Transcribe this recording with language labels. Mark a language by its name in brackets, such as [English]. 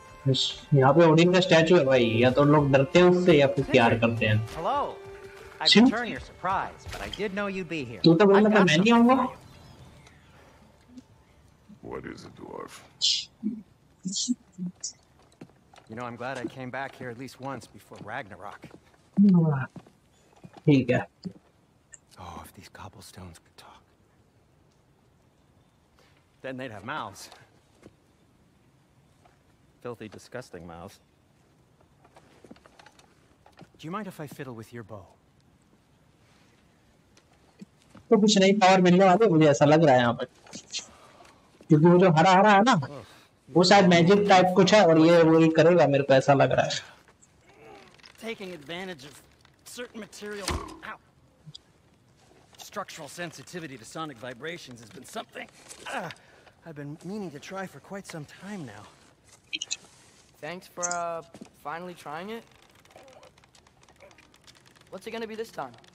[Hindi] इस यहाँ पे ओडिन का स्टैचू है भाई, या तो लोग डरते हैं उससे या फिर प्यार करते हैं. [English] Hello. I return your surprise, but I did know you'd be here. [Hindi] तू तो बोल रहा था मैं नहीं आऊँगा. [English] What is a dwarf? You know, I'm glad I came back here at least once before Ragnarok. Here you go. Oh, if these cobblestones could talk. Then they'd have mouths. Filthy, disgusting mouths. Do you mind if I fiddle with your bow? [Hindi] तो कुछ नहीं power मिलने वाले मुझे ऐसा लग रहा है यहाँ पर क्योंकि वो जो हरा हरा है ना वो शायद मैजिक टाइप कुछ है और ये वो ही करेगा मेरे को ऐसा लग रहा है [English] taking advantage of certain material how structural sensitivity to sonic vibrations has been something I've been meaning to try for quite some time now thanks for finally trying it what's it going to be this time